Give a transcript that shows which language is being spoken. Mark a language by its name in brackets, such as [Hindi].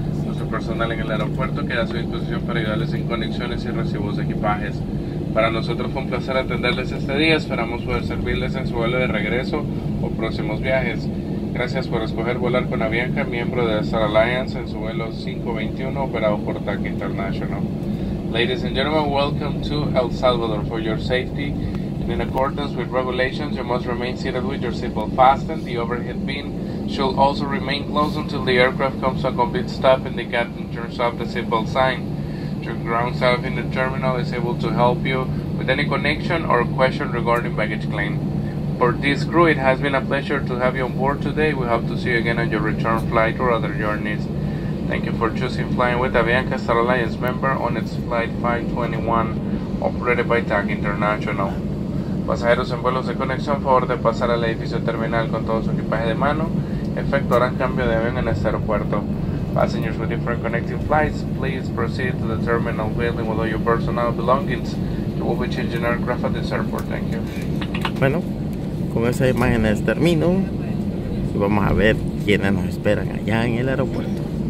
[Spanish] Nuestro personal en el aeropuerto queda a su disposición para ayudarles en conexiones y recibos de equipajes. Para nosotros fue un placer atenderles este día. Esperamos poder servirles en su vuelo de regreso o próximos viajes. Gracias por escoger volar con Avianca, miembro de Star Alliance, en su vuelo 521 operado por TAC International. [English] Ladies and gentlemen, welcome to El Salvador. For your safety and in accordance with regulations, you must remain seated with your seatbelt fastened. The overhead bin should also remain closed until the aircraft comes to a complete stop and the captain turns off the seatbelt sign. Your ground staff in the terminal is able to help you with any connection or question regarding baggage claim. For this crew, it has been a pleasure to have you on board today. We hope to see you again on your return flight or other journeys. Thank you for choosing flying with Avianca Star Alliance member on its flight 521, operated by TAC International. [Spanish] Pasajeros en vuelos de conexión, favor de pasar al edificio terminal con todo su equipaje de mano. Efectuarán cambio de avión en este aeropuerto. [English] Passengers with different connecting flights, please proceed to the terminal building with all your personal belongings. You will be changing aircraft at this airport. Thank you. [Spanish] Bueno. Con esas imágenes termino y vamos a ver quiénes nos esperan allá en el aeropuerto.